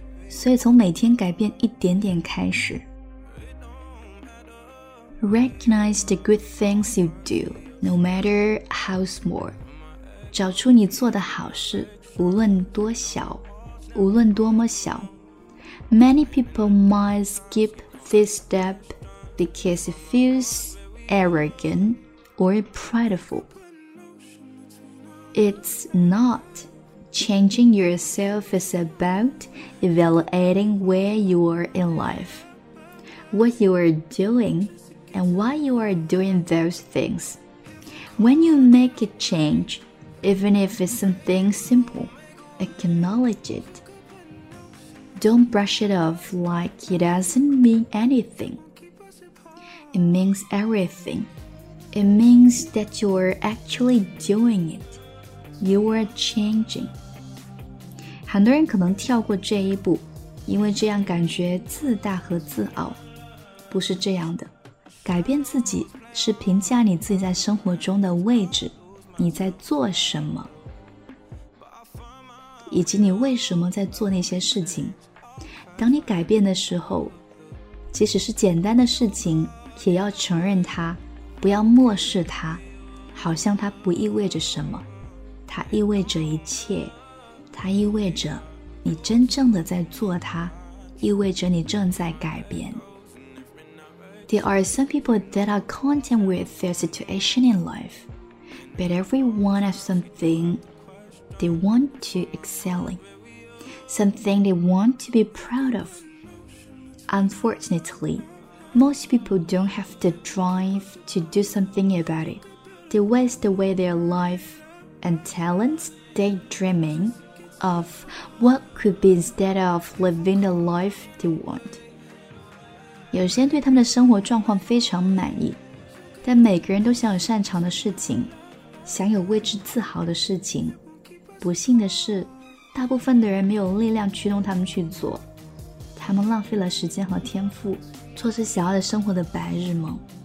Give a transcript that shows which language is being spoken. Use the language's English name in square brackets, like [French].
[Chinese] 所以从每天改变一点点开始。 [English] Recognize the good things you do, no matter how small. [Chinese] 找出你做的好事，无论多小，无论多么小。 [English] Many people might skip this step because it feels arrogant or prideful. It's not. Changing yourself is about evaluating where you are in life, what you are doing, and why you are doing those things. When you make a change, even if it's something simple, acknowledge it. Don't brush it off like it doesn't mean anything. It means everything. It means that you are actually doing it. You are changing. [Chinese] 很多人可能跳过这一步，因为这样感觉自大和自傲。不是这样的，改变自己是评价你自己在生活中的位置，你在做什么，以及你为什么在做那些事情。当你改变的时候，即使是简单的事情，也要承认它，不要漠视它，好像它不意味着什么。它意味着一切，它意味着你真正的在做它，意味着你正在改变。 [English] There are some people that are content with their situation in life, but everyone has something they want to excel in, something they want to be proud of. Unfortunately, most people don't have the drive to do something about it. They waste away their lifeand talents daydreaming of what could be instead of living the life they want. [Chinese] 有些人对他们的生活状况非常满意，但每个人都想有擅长的事情，想有为之自豪的事情。不幸的是，大部分的人没有力量驱动他们去做，他们浪费了时间和天赋，做着想要的生活的白日梦。